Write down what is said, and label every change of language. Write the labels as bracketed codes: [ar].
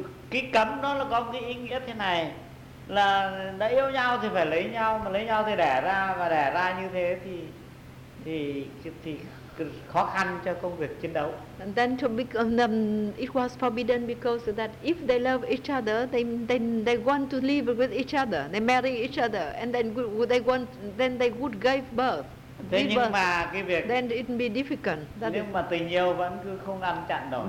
[vi] Cái cấm đó là có cái ý nghĩa thế này là đã yêu nhau thì phải lấy nhau, mà lấy nhau thì đẻ ra, và đẻ ra như thế thì khó khăn cho công việc chiến đấu. [en] And then to become it was forbidden because that if they love each other, they want to live with each other, they marry each other, and then they would give birth. [vi] Thế nhưng [en] birth, [vi] mà cái việc [en] then it be difficult. [vi] Nhưng mà tình yêu vẫn cứ không ngăn chặn nổi.